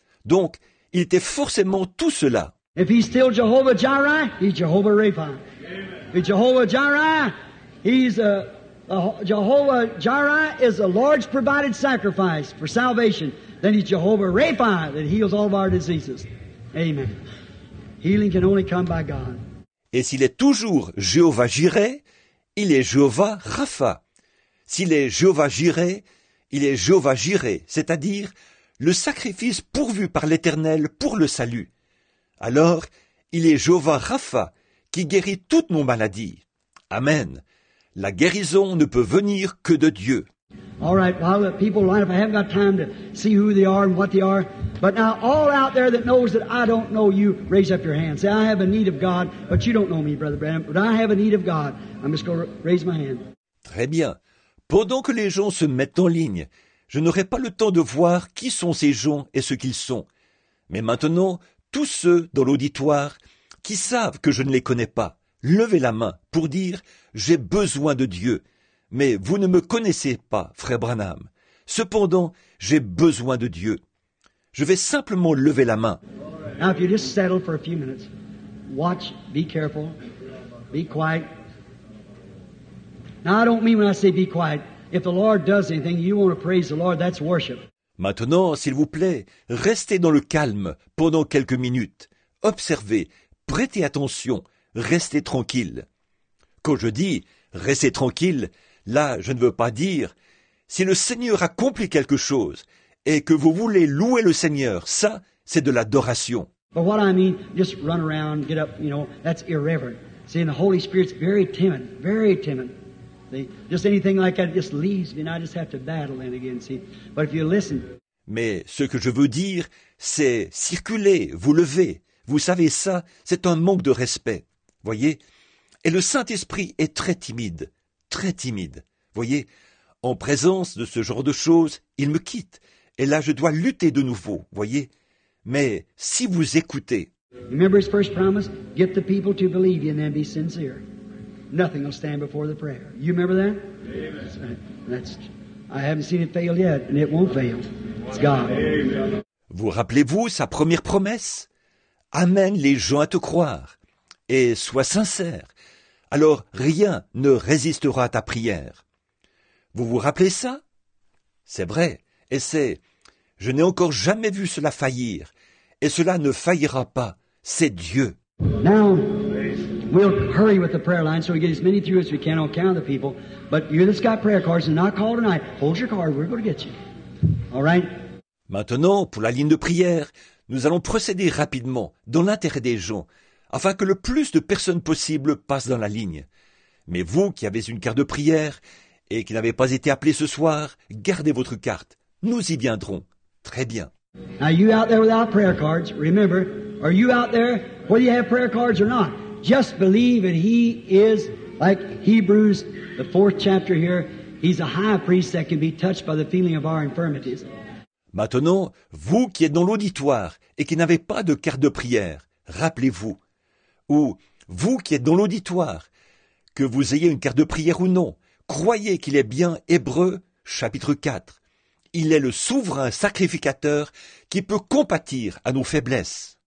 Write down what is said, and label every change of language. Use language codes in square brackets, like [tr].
[fr] Donc, il était forcément tout cela. [en] If he's still Jehovah Jireh, he's Jehovah Rapha. Amen. If Jehovah Jireh, he's Jehovah Jireh is the Lord's provided sacrifice for salvation. Then he's Jehovah Rapha that heals all of our diseases. Amen. Healing can only come by God. [fr] Et s'il est toujours Jéhovah Jireh, il est Jéhovah Rapha. S'il est Jéhovah Jireh, il est Jéhovah Jireh, c'est-à-dire le sacrifice pourvu par l'Éternel pour le salut. Alors, il est Jéhovah Rapha qui guérit toutes nos maladies. Amen. La guérison ne peut venir que de Dieu. [en] All right, well, the people line up. I haven't got time to see who they are and what they are. But now, all out there that knows that I don't know you, raise up your hand. Say, I have a need of God, but you don't know me, Brother Branham, but I have a need of God. I'm just going to raise my hand. [fr] Très bien. Pendant que les gens se mettent en ligne, je n'aurai pas le temps de voir qui sont ces gens et ce qu'ils sont. Mais maintenant, tous ceux dans l'auditoire qui savent que je ne les connais pas, levez la main pour dire, j'ai besoin de Dieu. Mais vous ne me connaissez pas, Frère Branham. Cependant, j'ai besoin de Dieu. Je vais simplement lever la main. [en] Now, if you just settle for a few minutes, watch, be careful, be quiet. Now, I don't mean when I say be quiet. If the Lord does anything, you want to praise the Lord, that's worship. [fr] Maintenant, s'il vous plaît, restez dans le calme pendant quelques minutes. Observez, prêtez attention, restez tranquille. Quand je dis restez tranquille, là, je ne veux pas dire, si le Seigneur accomplit quelque chose et que vous voulez louer le Seigneur, ça, c'est de l'adoration. [en] But what I mean, just run around, get up, you know, that's irreverent. See, and the Holy Spirit's very timid, very timid. Just anything like that just leaves me, and I just have to battle in again, see. But if you listen. [fr] Mais ce que je veux dire, c'est circuler, vous lever. Vous savez ça, c'est un manque de respect, voyez. Et le Saint-Esprit est très timide. Très timide. Voyez, en présence de ce genre de choses, il me quitte. Et là, je dois lutter de nouveau. Voyez, Mais si vous écoutez, [en] remember his first promise? Get the people to believe you and then be sincere. Nothing will stand before the prayer. You remember that? Amen. I haven't seen it fail yet, and it won't fail. It's God. Amen. [fr] Vous rappelez-vous sa première promesse? Amène les gens à te croire et sois sincère. Alors rien ne résistera à ta prière. Vous vous rappelez ça? C'est vrai, et c'est « Je n'ai encore jamais vu cela faillir, et cela ne faillira pas, c'est Dieu. » [en] Now, we'll hurry with the prayer line so we get as many through as we can on count of the people. But you're this guy prayer cards and not called tonight. Hold your card, we're going to get you. All right? [fr] Maintenant, pour la ligne de prière, nous allons procéder rapidement, dans l'intérêt des gens, afin que le plus de personnes possibles passent dans la ligne. Mais vous qui avez une carte de prière et qui n'avez pas été appelé ce soir, gardez votre carte. Nous y viendrons. Très bien. [en] Now you out there without prayer cards, remember, are you out there, whether you have prayer cards or not, just believe that he is like Hebrews, the fourth chapter here, he's a high priest that can be touched by the feeling of our infirmities. [fr] Maintenant, vous qui êtes dans l'auditoire et qui n'avez pas de carte de prière, rappelez-vous. Ou vous qui êtes dans l'auditoire, que vous ayez une carte de prière ou non, croyez qu'il est bien Hébreux chapitre 4. Il est le souverain sacrificateur qui peut compatir à nos faiblesses.